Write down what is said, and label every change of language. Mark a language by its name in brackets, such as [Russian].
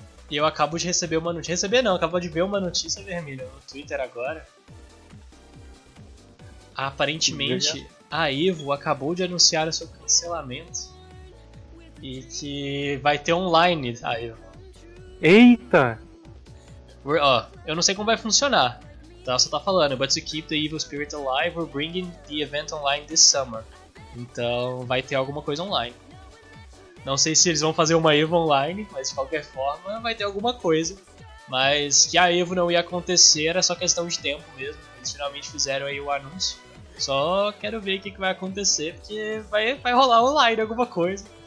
[Portuguese] E eu acabo de receber uma notícia... Receber não, acabo de ver uma notícia vermelha no Twitter agora. Aparentemente, a EVO acabou de anunciar o seu cancelamento. E que vai ter online a EVO. Eita! Eu não sei como vai funcionar, tá? Só tá falando, [English] but to keep the evil spirit alive, we're bringing the event online this summer. [Portuguese] Então, vai ter alguma coisa online. Não sei se eles vão fazer uma EVO online, mas de qualquer forma, vai ter alguma coisa. Mas que a EVO não ia acontecer, era só questão de tempo mesmo. Eles finalmente fizeram aí o anúncio. Só quero ver o que vai acontecer, porque vai rolar online alguma coisa.